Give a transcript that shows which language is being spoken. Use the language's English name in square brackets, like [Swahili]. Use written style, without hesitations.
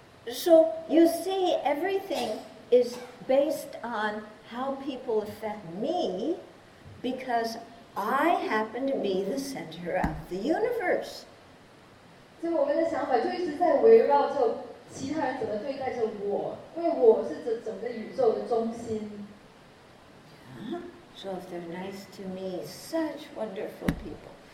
[English] So you see, everything is based on how people affect me, because I happen to be the center of the universe. [Chinese] 所以我们的想法就一直在围绕着其他人怎么对待着我，因为我是整个宇宙的中心。 [English] So if they're nice to me, such wonderful people.